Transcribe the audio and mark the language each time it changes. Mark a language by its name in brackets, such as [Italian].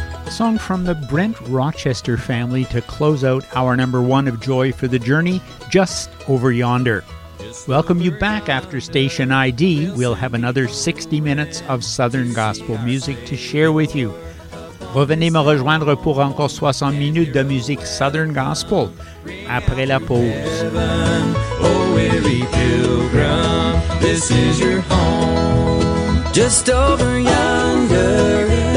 [English] Song from the Brent Rochester family to close out our number one of Joy for the Journey, Just Over Yonder. Welcome you back after Station ID. We'll have another 60 minutes of Southern Gospel music to share with you. [French] Revenez me rejoindre pour encore 60 minutes de musique Southern Gospel après la pause. [English] Oh, weary pilgrim, this is your home. Just over yonder.